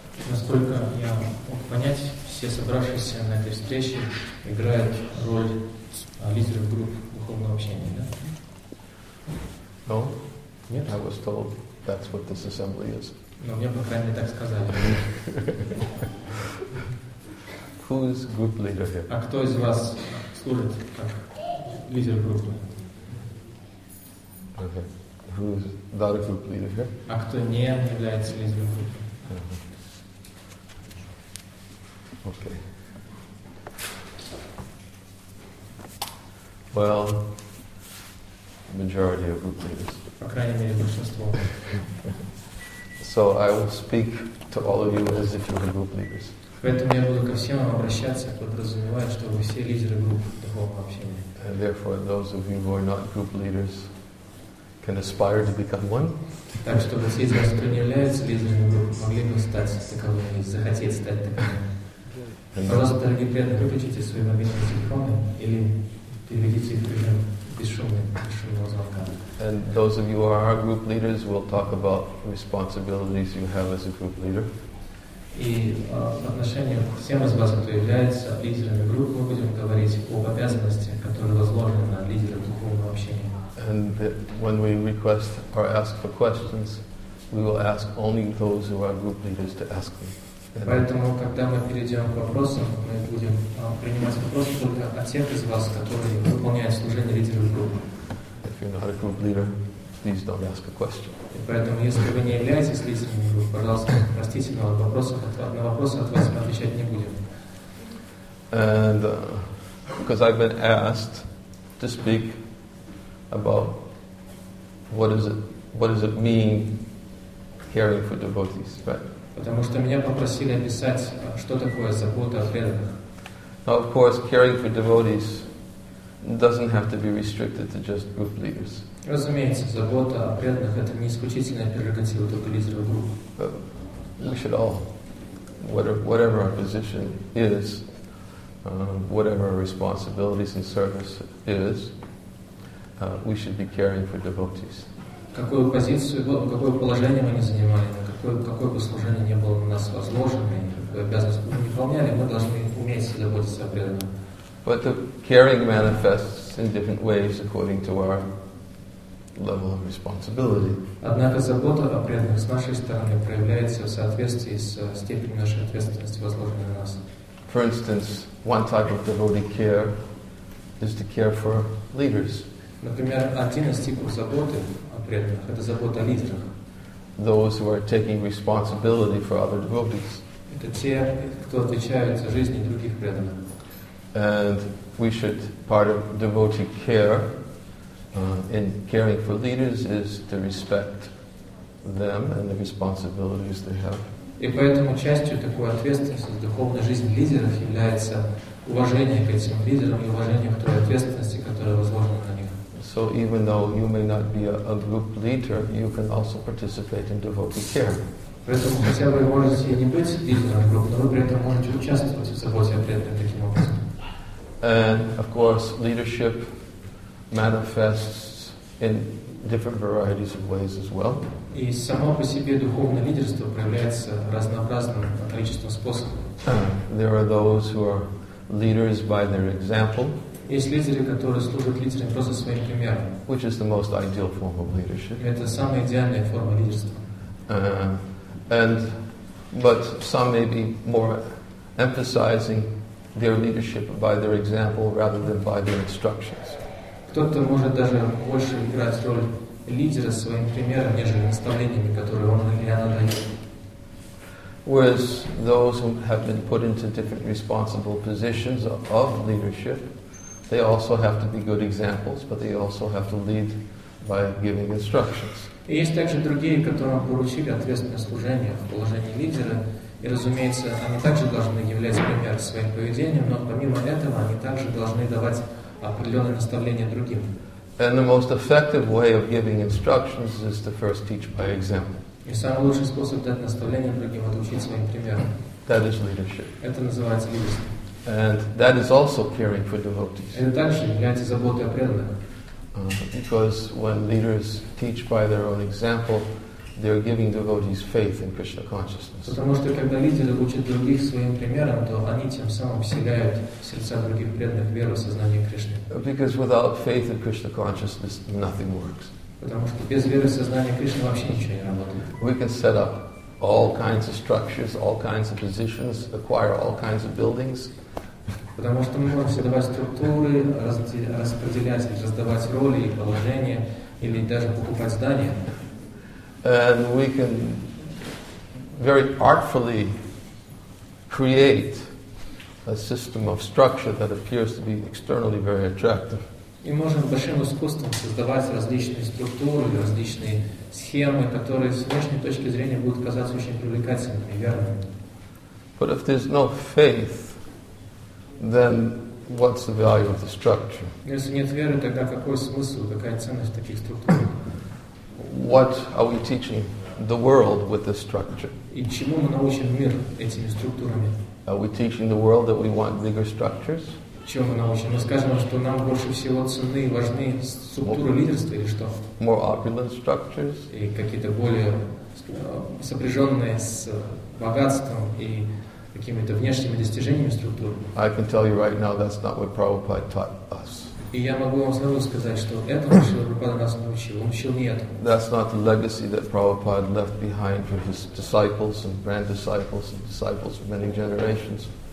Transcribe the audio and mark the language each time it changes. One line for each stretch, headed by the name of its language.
Russian: Насколько я мог понять, все собравшиеся на этой встрече играют роль лидеров групп духовного общения, да?
English: No.
Russian: Нет.
English: I was told that's what this assembly is.
Russian: Но мне по крайней мере так сказали.
English: Who is group leader here?
Russian: А кто из вас служит как лидер группы?
English: Okay. Who is not a group leader here?
Russian: А кто не является лидером группы?
English: Okay. Well, majority of group leaders.
Russian: По крайней мере, большинство.
English: So I will speak to all of you as if you were group leaders.
Russian: Поэтому я буду ко всем обращаться, подразумевая, что вы все лидеры групп духовного общения.
English: And therefore, those of you who are not group leaders can aspire to become one.
Russian: Так что вы из вас, кто не является лидером группы, могли бы стать таковыми, захотеть стать таковыми. Пожалуйста, дорогие преданные, выключите свои мобильные телефоны или переведите их в режим бесшумного звонка.
English: And those of you who are group leaders will talk about responsibilities you have as a group leader.
Russian: И в отношении к всем из вас, кто является лидерами группы, мы будем говорить об обязанности, которые возложены на лидера духовного общения.
English: And that when we request or ask for questions, we will ask only those who are group leaders to ask them.
Russian: Поэтому, когда мы перейдем к вопросам, мы будем принимать вопросы только от тех из вас, которые выполняют служение лидера группы.
English: If you're not a group leader, please don't ask a question.
Russian: И поэтому, если вы не являетесь лидером группы, пожалуйста, простите, но на вопросы от вас мы отвечать не будем.
English: And because I've been asked to speak about what does it mean caring for devotees, right?
Russian: Потому что меня попросили описать, что такое забота о преданных.
English: Now, of course, caring for devotees doesn't have to be restricted to just group leaders.
Russian: Разумеется, забота о преданных — это не исключительная прерогатива только лидеров групп.
English: But we should all, whatever our position is, whatever our responsibilities and service is, we should be caring for devotees.
Russian: Какую позицию, какое положение мы не занимали, какое бы служение не было на нас возложено, какую обязанность мы не выполняли, мы должны уметь заботиться о преданном.
English: But the caring manifests in different ways according to our level of responsibility.
Russian: Однако забота о преданных с нашей стороны проявляется в соответствии с степенью нашей ответственности, возложенной на нас.
English: For instance, one type of devotee care is to care for leaders.
Russian: Например, один из типов заботы о преданных — это забота о лидерах.
English: Those who are taking responsibility for other devotees.
Russian: Это те, кто отвечает за жизни других преданных.
English: And we should, part of devotee care in caring for leaders is to respect them and the responsibilities they have.
Russian: И поэтому частью такой ответственности в духовной жизни лидеров является уважение к этим лидерам и уважение к той ответственности, которая возложена на них.
English: So even though you may not be a group leader, you can also participate in devotee care.
Russian: Поэтому хотя вы можете не быть лидером группы, но вы при этом можете участвовать в заботе о преданных таким образом.
English: And of course, leadership manifests in different varieties of ways as well.
Russian: И само по себе духовное лидерство проявляется разнообразным количеством способов.
English: There are those who are leaders by their example.
Russian: Есть лидеры, которые служат лидерами просто своим примером.
English: Which is the most ideal form of leadership.
Russian: Это самая идеальная форма лидерства.
English: But some may be more emphasizing their leadership by their example rather than by their instructions.
Russian: Кто-то может даже больше играть роль лидера своим примером, нежели наставлениями, которые он или она дает.
English: Whereas those who have been put into different responsible positions of leadership, they also have to be good examples, but they also have to lead by giving instructions.
Russian: И есть также другие, которым поручили ответственное служение в положении лидера, и, разумеется, они также должны являть пример своим поведением, но помимо этого они также должны давать определенные наставления другим.
English: And the most effective way of giving instructions is to first teach by example.
Russian: И самый лучший способ дать наставление другим — это учить своим примером.
English: That is leadership.
Russian: Это называется лидерство.
English: And that is also caring for devotees.
Russian: Это также является заботой о преданных.
English: Because when leaders teach by their own example, they are giving devotees faith in Krishna consciousness.
Russian: Потому что когда лидеры учат других своим примером, то они тем самым вселяют в сердца других преданных веру в сознание Кришны.
English: Because without faith in Krishna consciousness, nothing works.
Russian: Потому что без веры в сознание Кришны вообще ничего не работает.
English: We can set up all kinds of structures, all kinds of positions, acquire all kinds of buildings.
Russian: Потому что мы можем создавать структуры, распределять, раздавать роли и положения, или даже покупать здания.
English: And we can very artfully create a system of structure that appears to be externally very attractive.
Russian: И можем большим искусством создавать различные структуры, различные схемы, которые с внешней точки зрения будут казаться очень привлекательными, верно?
English: But if there's no faith, then what's the value of the structure?
Russian: Если нет веры, тогда какой смысл, какая ценность таких структур?
English: What are we teaching the world with this structure?
Russian: И чему мы научим мир этими структурами?
English: Are we teaching the world that we want bigger structures?
Russian: Чем мы научим? Мы скажем, что нам больше всего ценны и важны структуры лидерства или что?
English: More opulent structures?
Russian: И какие-то более сопряженные с богатством и какими-то внешними достижениями структур.
English: I can tell you right now that's not what Prabhupada taught us.
Russian: И я могу вам сразу сказать, что этому Шрила Прабхупада нас не учил. Он учил не этому.
English: That's not the legacy that Prabhupada left behind for his disciples and grand disciples and disciples for many generations.